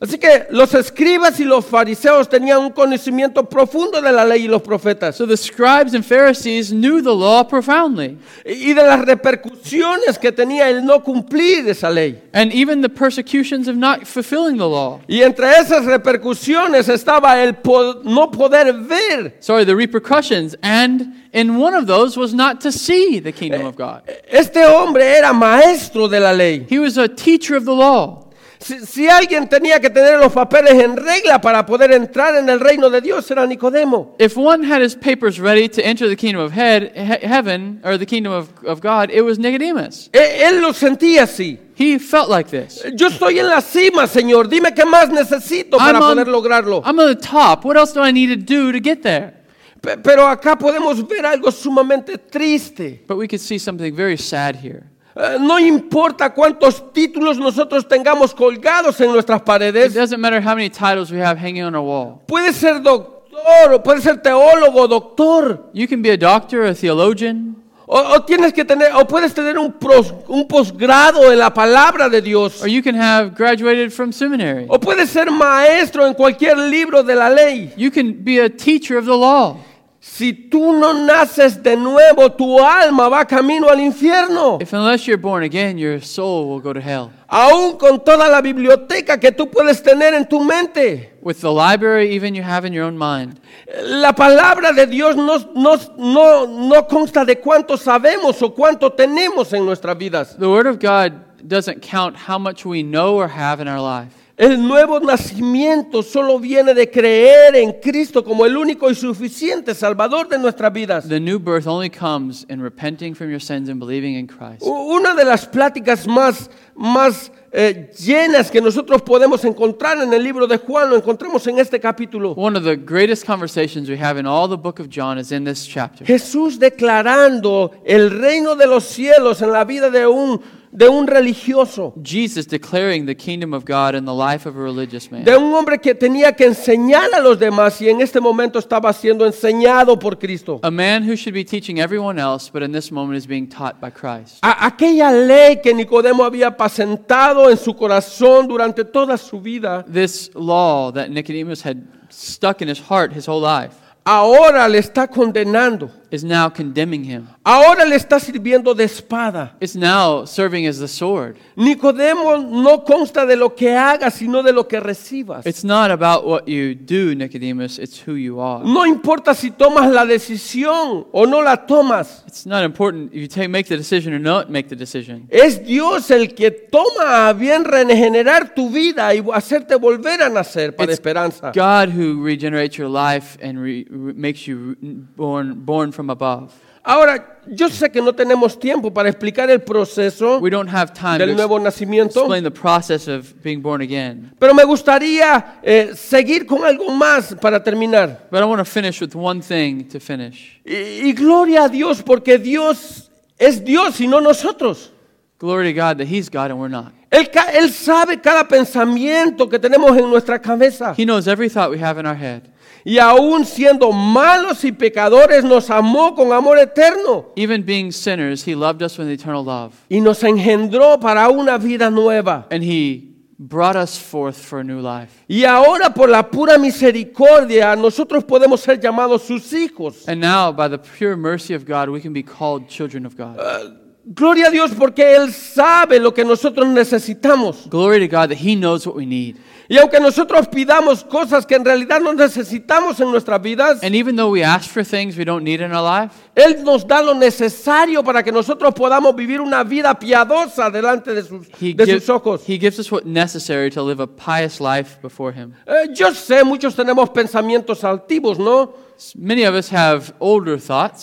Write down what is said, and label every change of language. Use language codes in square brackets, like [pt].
[es] Así que los escribas y los fariseos tenían un conocimiento profundo de la ley y los profetas. [en] So the scribes and Pharisees knew the law profoundly. [es] Y de las repercusiones que tenía el no cumplir esa ley. [en] And even the persecutions of not fulfilling the law. [es] Y entre esas repercusiones estaba el no poder ver. [en] Sorry, the repercussions and in one of those was not to see the kingdom of God. [es] Este hombre era maestro de la ley. [en] He was a teacher of the law. [es] Si alguien tenía que tener los papeles en regla para poder entrar en el reino de Dios, era Nicodemo. [en] If one had his papers ready to enter the kingdom of heaven or the kingdom of God, it was Nicodemus. [es] Él lo sentía así. [en] He felt like this. [es] Yo estoy en la cima, Señor. Dime qué más necesito para poder lograrlo. [en] I'm on the top. What else do I need to do to get there? [es] Pero acá podemos ver algo sumamente triste. [en] But we can see something very sad here. [es] No importa cuántos títulos nosotros tengamos colgados en nuestras paredes. [en] It doesn't matter how many titles we have hanging on our wall. [es] Puede ser doctor, o puede ser teólogo, doctor. [en] You can be a doctor, a theologian. [es] O tienes que tener, o puedes tener un posgrado en la palabra de Dios. [en] Or you can have graduated from seminary. [es] O puedes ser maestro en cualquier libro de la ley. [en] You can be a teacher of the law. [es] Si tú no naces de nuevo, tu alma va camino al infierno. [en] If unless you're born again, your soul will go to hell. [es] Aún con toda la biblioteca que tú puedes tener en tu mente. [en] With the library even you have in your own mind. [es] La palabra de Dios no consta de cuánto sabemos o cuánto tenemos en nuestras vidas. [en] The word of God doesn't count how much we know or have in our life. [es] El nuevo nacimiento solo viene de creer en Cristo como el único y suficiente Salvador de nuestras vidas. [en] The new birth only comes in repenting from your sins and believing in Christ. [es] Una de las pláticas más llenas que nosotros podemos encontrar en el libro de Juan lo encontramos en este capítulo. [en] One of the greatest conversations we have in all the book of John is in this chapter. [es] Jesús declarando el reino de los cielos en la vida de un religioso. [en] Jesus declaring the kingdom of God in the life of a religious man. [es] De un hombre que tenía que enseñar a los demás y en este momento estaba siendo enseñado por Cristo. [en] A man who should be teaching everyone else, but in this moment is being taught by Christ. [es] Aquella ley que Nicodemo había apacentado en su corazón durante toda su vida. [en] This law that Nicodemus had stuck in his heart his whole life. [es] Ahora le está condenando. [en] Is now condemning him. [es] Ahora le está sirviendo de espada. [en] Is now serving as the sword. [es] Nicodemo no consta de lo que hagas, sino de lo que recibas. [en] It's not about what you do, Nicodemus, it's who you are. [es] No importa si tomas la decisión o no la tomas. [en] It's not important if you make the decision or not make the decision. [es] Es Dios el que toma a bien regenerar tu vida y hacerte volver a nacer para [en] it's [es] esperanza. [en] It's God who regenerates your life and makes you born from above. [es] Ahora, yo sé que no tenemos tiempo para explicar el proceso del nuevo nacimiento. [en] Explain the process of being born again. [es] Pero me gustaría seguir con algo más para terminar. [en] But I want to finish with one thing to finish. [es] Y gloria a Dios porque Dios es Dios y no nosotros. [en] Glory to God that He's God and we're not. [es] Él sabe cada pensamiento que tenemos en nuestra cabeza. [en] He knows every thought we have in our head. [es] Y aún siendo malos y pecadores, nos amó con amor eterno. [en] Even being sinners, He loved us with eternal love. [es] Y nos engendró para una vida nueva. [en] And He brought us forth for a new life. [es] Y ahora por la pura misericordia, nosotros podemos ser llamados sus hijos. [en] And now, by the pure mercy of God, we can be called children of God. [es] Gloria a Dios porque Él sabe lo que nosotros necesitamos. [en] Glory to God that He knows what we need. [es] Y aunque nosotros pidamos cosas que en realidad no necesitamos en nuestras vidas, [en] and even though we ask for things we don't need in our life, [es] Él nos da lo necesario para que nosotros podamos vivir una vida piadosa delante de sus ojos. [en] He gives us what necessary to live a pious life before Him. [es] Yo sé, muchos tenemos pensamientos altivos, ¿no? [en] Many of us have older thoughts.